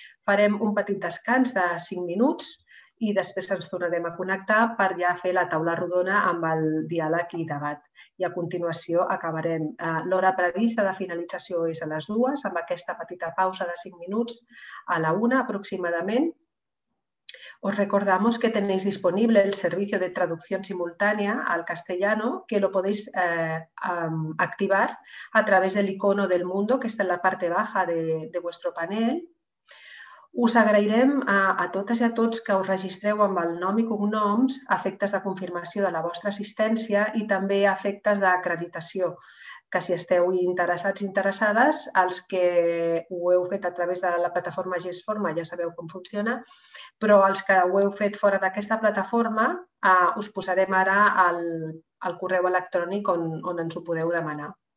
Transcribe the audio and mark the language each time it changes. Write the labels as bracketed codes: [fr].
[ca] Farem un petit descans de 5 minuts i després ens tornarem a connectar per ja fer la taula rodona amb el diàleg i debat. I a continuació acabarem. L'hora prevista de finalització és a les 2, amb aquesta petita pausa de 5 minuts a la 1 aproximadament. [es] Os recordamos que tenéis disponible el servicio de traducción simultánea al castellano, que lo podéis activar a través del icono del mundo que está en la parte baja de vuestro panel. [ca] Us agrairem a totes i a tots que us registreu amb el nom i cognoms a efectes de confirmació de la vostra assistència i també a efectes d'acreditació, que si esteu interessats i interessades, els que ho heu fet a través de la plataforma GESFORMA ja sabeu com funciona, però els que ho heu fet fora d'aquesta plataforma, us posarem ara el correu electrònic on ens ho podeu demanar.